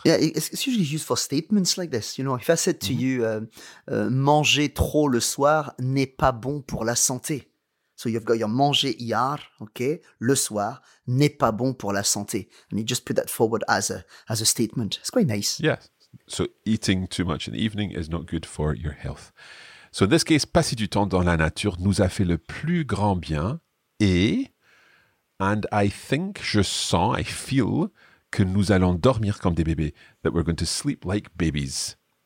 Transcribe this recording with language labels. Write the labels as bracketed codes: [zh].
[en] Yeah, it's usually used for statements like this. You know, if I said to you, [fr] manger trop le soir n'est pas bon pour la santé. [en] So you've got your [fr] manger hier, okay, le soir n'est pas bon pour la santé. [en] And you just put that forward as a statement. It's quite nice. Yeah, so eating too much in the evening is not good for your health. So in this case, [fr] passer du temps dans la nature nous a fait le plus grand bien et, [en] and I think, [fr] je sens, [en] I feel, [fr] que nous allons dormir comme des bébés, [en] that we're going to sleep like babies.